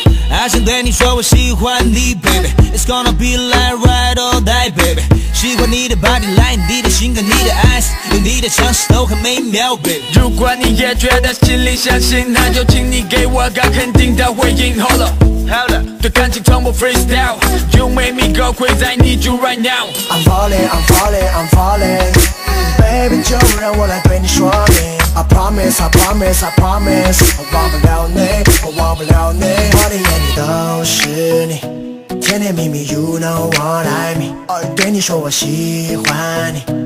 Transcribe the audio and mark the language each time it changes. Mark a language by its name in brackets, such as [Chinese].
[Chinese] 爱情对你说我喜欢你 ，baby。 [English] It's gonna be like ride or die， baby。 [Chinese] 喜欢你的 body line， 你的性格，你的 eyes， 有你的 chance 都很美妙 ，baby。如果你也觉得心里相信，那就请你给我个肯定的回应 ， [English] Hold up。 [Chinese] 对感情从不 [English] freestyle， You make me go crazy， I need you right now。 I'm falling， I'm falling， I'm falling， Baby [Chinese] 就让我来对你说明， [English] I promise， I promise， I promise， [Chinese] 我忘不了你，我忘不了你，我的眼里都是你，甜甜蜜蜜 [English] You know what I mean， [Chinese] 对你说我喜欢你，